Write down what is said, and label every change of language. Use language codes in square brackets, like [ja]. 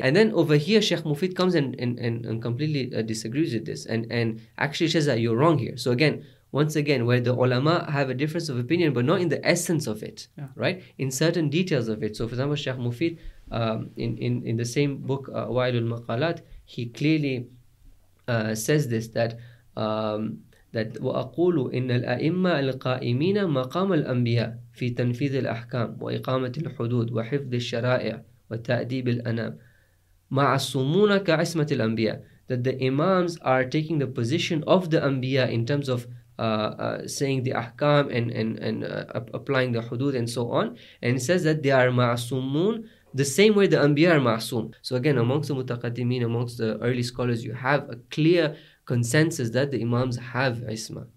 [en] And then over here, Sheikh Mufid comes and completely disagrees with this and actually says that you're wrong here. So again, once again, where the ulama have a difference of opinion, but not in the essence of it, yeah. Right? In certain details of it. So for example, Sheikh Mufid, in the same book, Wa'ilul Maqalat, he clearly says this, that... [ar] that وأقول إن الأئمة القائمين مقام الأنبياء في تنفيذ الأحكام وإقامة الحدود وحفظ الشرائع وتأديب الأنام مع الصمونة كعصمة الأنبياء. [en] That the imams are taking the position of the anbiya in terms of saying the ahkam and applying the hudud and so on, and says that they are معصومون the same way the anbiya are معصوم. So again, amongst the mutaqaddimin, amongst the early scholars, you have a clear consensus that the imams have isma.